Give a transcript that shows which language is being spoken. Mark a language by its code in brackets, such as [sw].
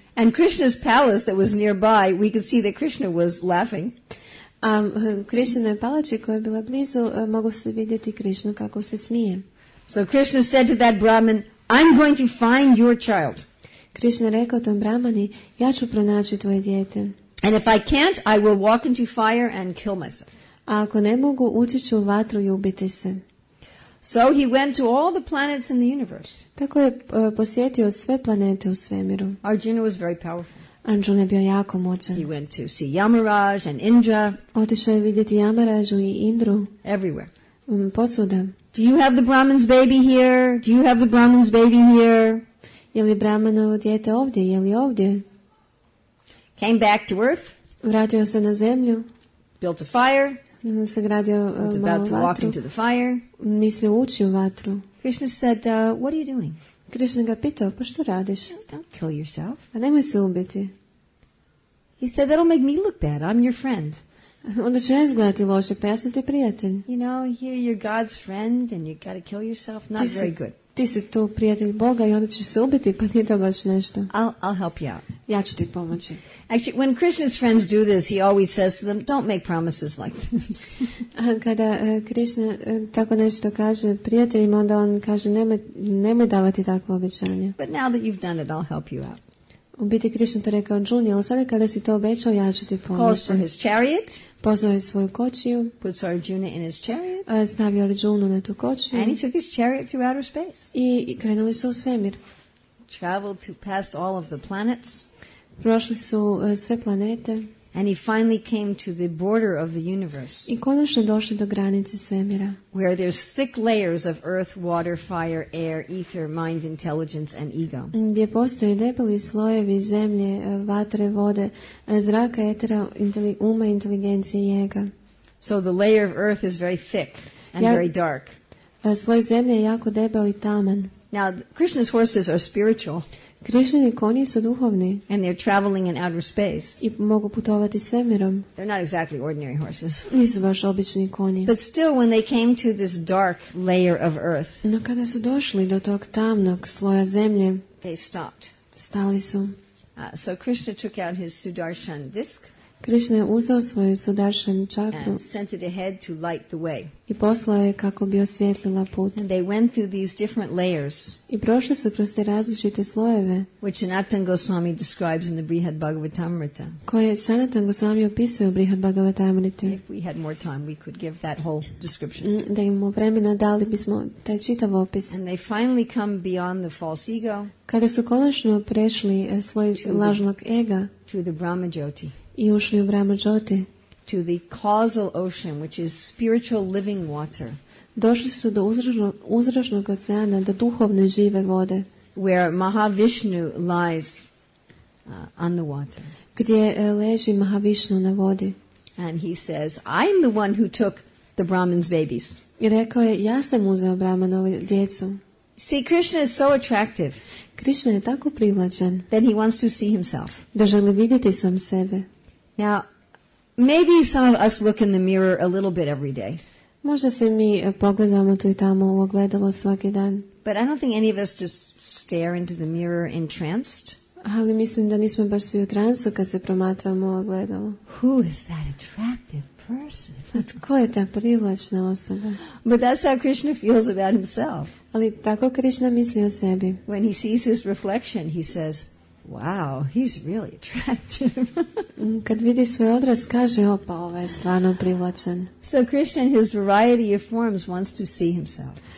[en] And Krishna's palace that was nearby, we could see that Krishna was laughing. Krishna's palace [hr] koja je bila blizu, moglo se vidjeti Krishna kako se smije. [en] So Krishna said to that Brahmin, I'm going to find your child. [hr] Krishna rekao tom Brahmani, ja ću pronaći tvoje dijete. [en] And if I can't, I will walk into fire and kill myself. [hr] A ako ne mogu, ući ću u vatru i ubiti se. [en] So he went to all the planets in the universe. [hr] Tako je posjetio sve planete u svemiru. [en] Arjuna was very powerful. [hr] Arjuna je bio jako moćan. [en] He went to see Yamaraj and Indra. [hr] Otišao je vidjeti Yamaraju i Indru. [en] Everywhere. [hr] Posvuda. [en] Do you have the Brahman's baby here? Do you have the Brahman's baby here? [hr] Je li Brahmanovo dijete ovdje? Je li ovdje? [en] Came back to earth. [hr] Vratio se na zemlju. [en] Built a fire. [hr] Sagradio malo vatru. Mislio ući u vatru. [en] Krishna said, what are you doing? [hr] Krishna ga pitao, pa što radiš? [en] Don't kill yourself. [hr] A nemoj se ubiti. [en] He said, that'll make me look bad. I'm your friend. [hr] Onda ću ja izgledati loše, pa ja sam ti prijatelj. [en] You know, here you're God's friend and you gotta kill yourself. Not very good. [hr] Ti si tu prijatelj Boga i onda ćeš se ubiti, pa nije to baš nešto. [en] I'll help you out. [hr] Ja ću ti pomoći. [en] Actually, when Krishna's friends do this, he always says to them, don't make promises like this. [hr] Kada Krishna tako nešto kaže prijateljima, onda on kaže, nemoj davati takve obećanje. [en] But now that you've done it, I'll help you out. [hr] U biti Krishna to rekao Arjuni, ali sada kada si to obećao, ja ću ti pomoći. [en] Calls for his chariot. [hr] Pozvao je svoju kočiju. [en] Puts Arjuna in his chariot. [hr] Stavio Arjunu na tu kočiju. [en] And he took his chariot through outer space. [hr] I krenuli su u svemir. [en] Traveled to past all of the planets. [hr] Prošli su sve planete. [en] And he finally came to the border of the universe. [hr] I konačno došli do granice svemira. [en] Where there's thick layers of earth, water, fire, air, ether, mind, intelligence and ego. [hr] Gdje postoje debeli slojevi zemlje, vatre, vode, zraka, etera, uma, inteligencije i ega. [en] So the layer of earth is very thick and very dark. [hr] Sloj zemlje je jako debel i taman. [en] Now, Krishna's horses are spiritual. [hr] Krishnini konji su duhovni. [en] And they're traveling in outer space. [hr] I mogu putovati svemirom. [en] They're not exactly ordinary horses. [hr] Nisu baš obični konji. [en] But still, when they came to this dark layer of earth, [hr] no kada su došli do tog tamnog sloja zemlje, [en] they stopped. [hr] Stali su. [en] So Krishna took out his Sudarshan disc. [hr] Krishna je uzeo svoju Sudarshan čakru. [en] And sent it ahead to light the way. [hr] I poslao je kako bi osvjetlila put. [en] And they went through these different layers. [hr] I prošli su kroz te različite slojeve. [en] Which Sanatan Goswami describes in the Brihad Bhagavatamrita. [hr] Koje Sanatan Goswami opisuje u Brihad Bhagavatamrita. [en] If we had more time, we could give that whole description. [hr] Da imamo vremena, dali bismo taj čitav opis. [en] And they finally come beyond the false ego. [hr] Kada su konačno prešli sloj lažnog ega. [en] To the Brahmajyoti. [hr] I ušli u Brahmajyoti. [en] To the causal ocean, which is spiritual living water. [hr] Došli su do uzročnog oceana, do duhovne žive vode. [en] Where Mahavishnu lies on the water. [hr] Gdje leži Mahavishnu na vodi. [en] And he says, I'm the one who took the Brahmin's babies. [hr] I rekao je, ja sam uzeo Brahmanovu djecu. [en] See, Krishna is so attractive. [hr] Krishna je tako privlačan. [en] That he wants to see himself. [hr] Da želi vidjeti sam sebe. [en] Now, maybe some of us look in the mirror a little bit every day. [hr] Možda se mi pogledamo tu i tamo u ogledalo svaki dan. [en] But I don't think any of us just stare into the mirror entranced. [hr] Ali mislim da nismo baš svi u transu kad se promatramo u ogledalo. [en] Who is that attractive person? [hr] Tko je ta privlačna osoba? [en] But that's how Krishna feels about himself. [hr] Ali tako Krishna misli o sebi. [en] When he sees his reflection, he says, wow, he's really attractive. [hr] Kad vidi svoj odraz, kaže, opa, ovaj je stvarno privlačen. [en] So Krishna in his variety of forms wants to see himself.